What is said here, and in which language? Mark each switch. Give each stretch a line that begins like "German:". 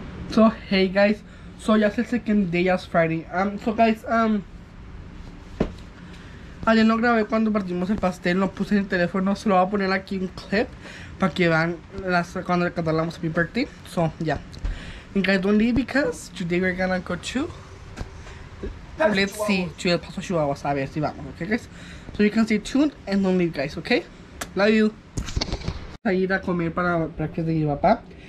English: So hey guys, so yes, it's the second day, it's Friday. So guys,
Spanish: ayer no grabé cuando partimos el pastel, no puse en el teléfono, se lo voy a poner aquí un clip para que vean las cuando le cantamos a mi party.
English: So yeah. And guys, don't leave because today we're gonna go to Let's see, to El Paso, Chihuahua,
Spanish: a ver si vamos,
English: okay guys? So you can stay tuned and don't leave guys, okay? Love you.
Spanish: A ir a comer para breakfast de mi papá.